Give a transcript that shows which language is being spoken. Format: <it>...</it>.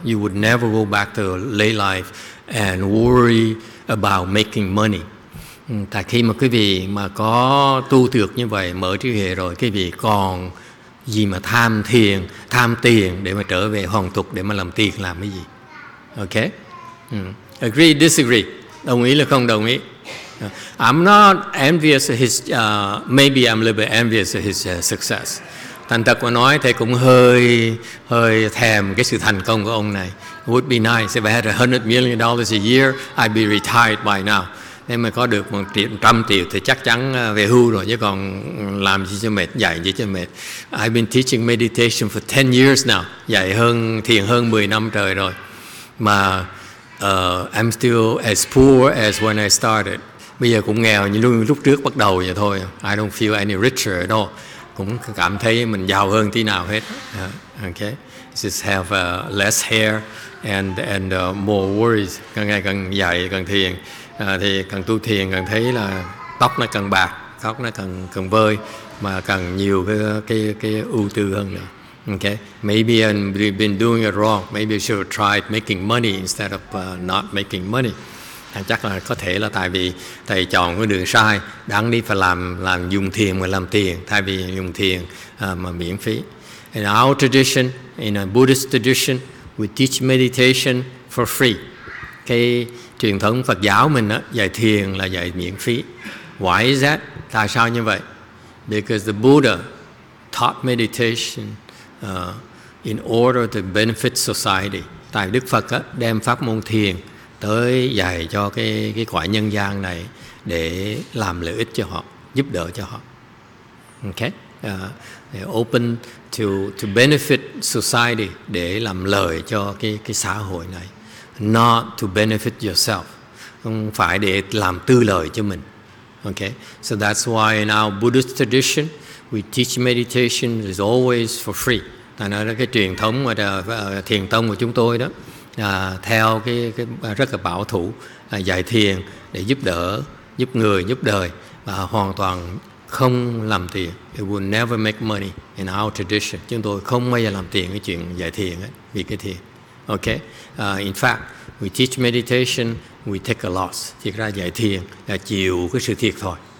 <en>You would never go back to lay life and worry about making money.</en> <vi>Tại khi mà quý vị mà có tu được như vậy, mở trí huệ rồi, quý vị còn gì mà tham thiền, tham tiền để mà trở về hoàn tục, để mà làm tiền làm cái gì? Ok?</vi> <en>Agree, disagree?</en> <vi>Đồng ý là không đồng ý?</vi> <en>I'm not envious of his, maybe I'm a little bit envious of his success.</en> <vi>Thành thật mà nói thì cũng hơi thèm cái sự thành công của ông này.</vi> <en>Would be nice if I had $100 million a year, I'd be retired by now.</en> <vi>Nếu mà có được 100 triệu thì chắc chắn về hưu rồi, chứ còn làm gì cho mệt, dạy gì cho mệt.</vi> <en>I've been teaching meditation for 10 years now,</en> <vi>dạy thiền hơn 10 năm trời rồi.</vi> <en>Mà I'm still as poor as when I started.</en> <vi>Bây giờ cũng nghèo như lúc trước bắt đầu vậy thôi.</vi> <en>I don't feel any richer at all.</en> <vi>Cũng cảm thấy mình giàu hơn tí nào hết.</vi> <en>Okay, just have less hair and more worries.</en> <vi>Càng ngày càng dạy, càng thiền. Thì càng tu thiền càng thấy là tóc nó càng bạc, tóc nó càng càng vơi, mà càng nhiều cái ưu tư hơn nữa.</vi> <en>Okay, maybe I've been doing it wrong, maybe I should have tried making money instead of not making money.</en> <vi>Chắc là có thể là tại vì thầy chọn cái đường sai, đáng đi phải làm dùng thiền mà làm tiền thay vì dùng thiền mà miễn phí.</vi> <en>In our tradition, in a Buddhist tradition, we teach meditation for free.</en> <vi>Cái truyền thống Phật giáo mình á, dạy thiền là dạy miễn phí.</vi> <en>Why is that?</en> <vi>Tại sao như vậy?</vi> <en>Because the Buddha taught meditation in order to benefit society.</en> <vi>Tại Đức Phật á, đem pháp môn thiền tới dạy cho cái quả nhân gian này để làm lợi ích cho họ, giúp đỡ cho họ. Okay?</vi> <en>They open to benefit society,</en> <vi>để làm lợi cho cái xã hội này.</vi> <en>Not to benefit yourself.</en> <vi>Không phải để làm tư lợi cho mình.</vi> <en>Okay? So that's why in our Buddhist tradition, we teach meditation is always for free.</en> <vi>Tại nói là cái truyền thống và thiền tông của chúng tôi đó, theo cái rất là bảo thủ, dạy thiền để giúp đỡ, giúp người, giúp đời, và hoàn toàn không làm tiền.</vi> <en>It will never make money in our tradition.</en> <vi>Chúng tôi không bao giờ làm tiền cái chuyện dạy thiền ấy, vì cái thiền. Okay.</vi> <en>In fact, we teach meditation, we take a loss.</en> <vi>Thiệt ra dạy thiền là chịu cái sự thiệt thôi.</vi>